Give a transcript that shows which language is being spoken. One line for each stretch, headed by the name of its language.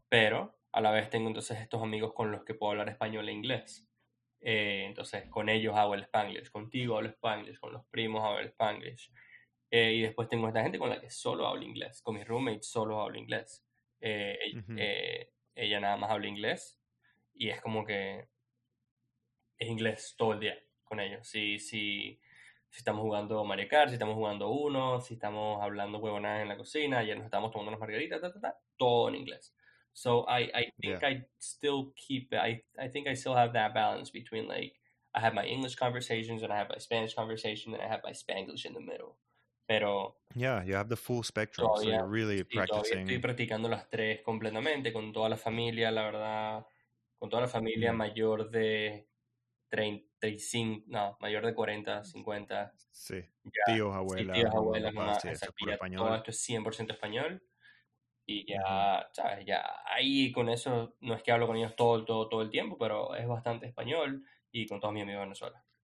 Spanish: Pero a la vez tengo entonces estos amigos con los que puedo hablar español e inglés, entonces con ellos hago el Spanglish, contigo hablo Spanglish, con los primos hablo Spanglish, y después tengo esta gente con la que solo hablo inglés, con mis roommates solo hablo inglés, ella nada más habla inglés, y es como que es inglés todo el día con ellos. Si estamos jugando Mario Kart, si estamos jugando Uno, si estamos hablando huevonadas en la cocina, ya nos estamos tomando unas margaritas, todo en inglés.
English: So I think I still have that balance between, like, I have my English conversations and I have my Spanish conversation and I have my Spanglish in the middle.
Spanish: Pero
English: yeah, you have the full spectrum, todavía, so you're really practicing.
Spanish: Estoy practicando las tres completamente con toda la familia, la verdad, con toda la familia mayor de 35, no, mayor de 40, 50. Sí, ya. Tíos, abuelas. Sí, tíos, abuelas, mamá, sí, esa español. Todo esto es 100% español. Y ya, sabes, ya ahí con eso, no es que hablo con ellos todo el tiempo, pero es bastante español y con todos mis amigos de Venezuela.